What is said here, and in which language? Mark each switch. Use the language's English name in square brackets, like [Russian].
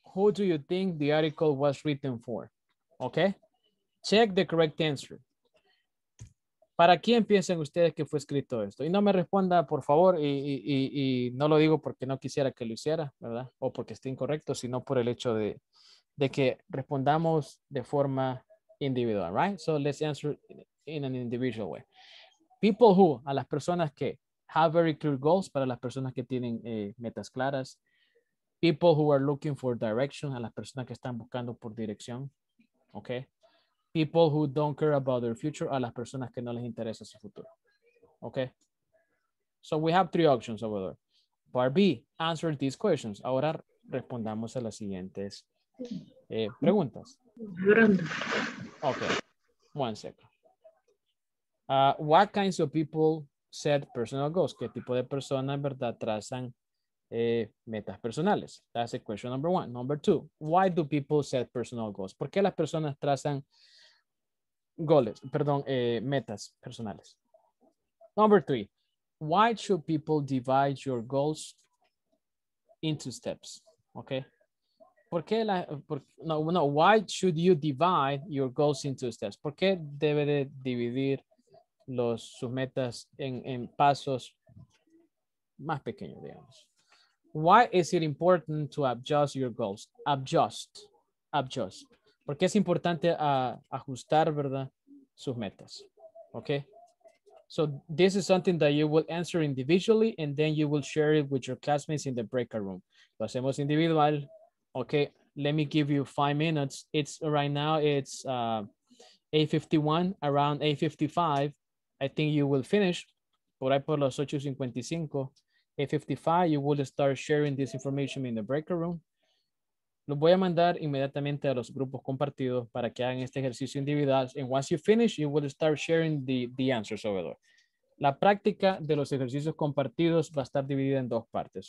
[English] Who do you think the article was written for? ¿Ok? Check the correct answer. [Spanish] ¿Para quién piensan ustedes que fue escrito esto? Y no me responda, por favor, y no lo digo porque no quisiera que lo hiciera, ¿verdad? O porque esté incorrecto, sino por el hecho de que respondamos de forma individual, right? [English] So let's answer in an individual way. People who, [Spanish] a las personas que [English] have very clear goals, [Spanish] para las personas que tienen metas claras. [English] People who are looking for direction, [Spanish] a las personas que están buscando por dirección, okay? [English] People who don't care about their future, [Spanish] a las personas que no les interesa su futuro, okay? [English] So we have three options over there. Part B, answer these questions. [Spanish] Ahora respondamos a las siguientes preguntas. [English] Okay, one second. What kinds of people set personal goals? [Spanish] ¿Qué tipo de personas, verdad, trazan metas personales? [English] That's a question number one. Number two, why do people set personal goals? [Spanish] ¿Por qué las personas trazan goles, perdón, metas personales? [English] Number three, why should people divide your goals into steps? Okay. Why should you divide your goals into steps? [Spanish] ¿Por qué debe de dividir sus metas en pasos más pequeños, digamos? [English] Why is it important to adjust your goals? Adjust. [Spanish] ¿Por qué es importante ajustar, verdad, sus metas? [English] Okay. So this is something that you will answer individually and then you will share it with your classmates in the breakout room. [Spanish] Lo hacemos individual. [English] Okay, let me give you 5 minutes. It's right now, it's 8:51. Around 8:55, I think you will finish. [Spanish] Por ahí por los 8:55, 8:55, [English] you will start sharing this information in the breakout room. [Spanish] Lo voy a mandar inmediatamente a los grupos compartidos para que hagan este ejercicio individual. [English] And once you finish, you will start sharing the answers over there. [Spanish] La práctica de los ejercicios compartidos va a estar dividida en dos partes.